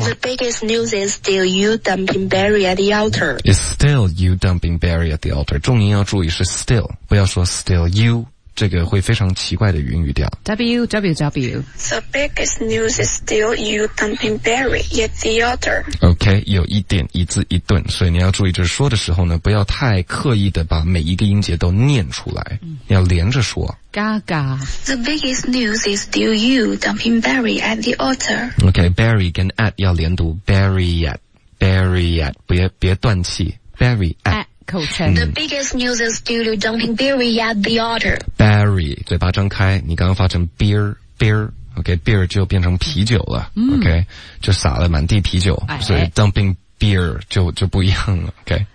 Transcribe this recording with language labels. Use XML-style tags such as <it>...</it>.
<en>The biggest news is still you dumping Barry at the altar. It's still you dumping Barry at the altar.</en> <zh>重音要注意是 still, 不要说</zh> <en>still you,</en> <zh>这个会非常奇怪的云语调 www.</zh> <en>The biggest news is still you dumping Barry at the altar.</en> <zh>OK, 有一点一字一顿，所以你要注意，就是说的时候呢，不要太刻意的把每一个音节都念出来，嗯、要连着说。 Gaga.</zh> <en>The biggest news is still you dumping Barry at the altar.</en> <zh>OK, Barry 跟 at 要连读 Barry at, 别断气 Barry at.</zh> <en>The biggest news is still you dumping Barry at the altar.</en> <zh>Barry, 嘴巴张开，你刚刚发成 beer, okay, beer 就变成啤酒了、嗯、okay, 就洒了满地啤酒、哎、所以</zh> <en>dumping beer</en> <zh>就不一样了 okay.</zh>